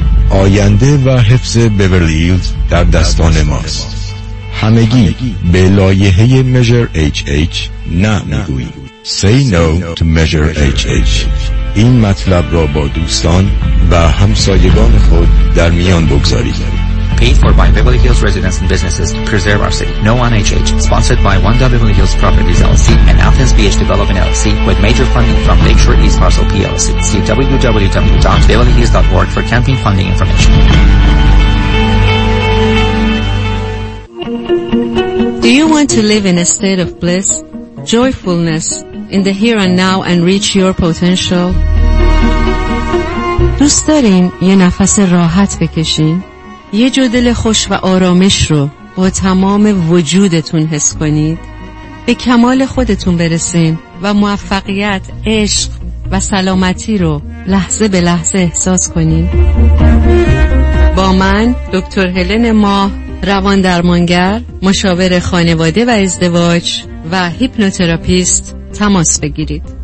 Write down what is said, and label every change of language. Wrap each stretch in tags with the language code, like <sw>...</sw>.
<fa>آینده و حفظ بیورلی هیلز در دستان ماست. همگی به لایحه میجر ایچ ایچ نه میگوییم.</fa> <en>Say no to Measure HH.</en> <fa>این مطلب را با دوستان و همسایگان خود در میان بگذارید.</fa> <en>Paid for by Beverly Hills residents and businesses to preserve our city. No on HH. Sponsored by 1W Beverly Hills Properties LLC and Athens BH Development LLC with major funding from Lakeshore East Parcel PLC. See www.beverlyhills.org for campaign funding information. Do you want to live in a state of bliss, joyfulness, in the here and now and reach your potential?</en> <fa>دوست دارین یه نفس راحت بکشین؟ یه جدل خوش و آرامش رو با تمام وجودتون حس کنید؟ به کمال خودتون برسین و موفقیت، عشق و سلامتی رو لحظه به لحظه احساس کنین؟ با من، دکتر هلن ماه، روان درمانگر، مشاور خانواده و ازدواج و هیپنوتراپیست تماس بگیرید.</fa>